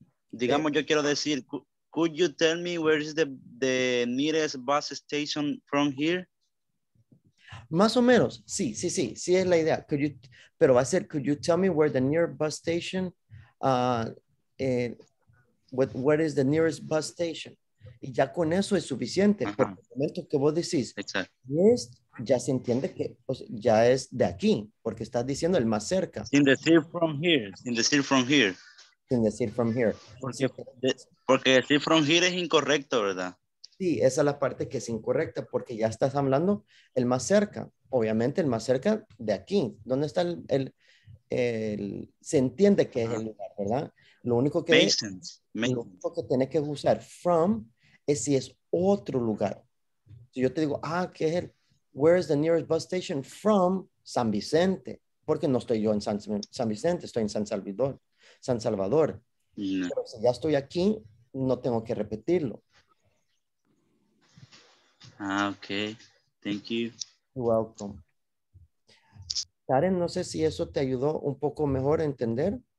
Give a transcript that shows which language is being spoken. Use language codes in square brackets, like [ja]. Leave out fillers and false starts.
[es] Digamos, yo quiero decir, [en] could you tell me where is the nearest bus station from here? [es] Más o menos, sí, sí, sí, sí es la idea. [en] Could you, [es] pero va a ser, [en] could you tell me where the nearest bus station where is the nearest bus station? [es] Y ya con eso es suficiente. Ajá. Porque el momento que vos decís, ya se entiende que pues, ya es de aquí, porque estás diciendo el más cerca. Sin decir from here, sin decir from here. Sin decir from here. Porque decir from here es incorrecto, ¿verdad? Sí, esa es la parte que es incorrecta, porque ya estás hablando el más cerca. Obviamente el más cerca de aquí. ¿Dónde está el se entiende que es el lugar, ¿verdad? Lo único que tenés que usar from es si es otro lugar. Si yo te digo, ¿qué es el? [en] Where is the nearest bus station from San Vicente? [es] Porque no estoy yo en San Vicente, estoy en San Salvador. Mm. Pero si ya estoy aquí, no tengo que repetirlo. [en] Ok. Thank you. You're welcome. [es] Karen, no sé si eso te ayudó un poco mejor a entender.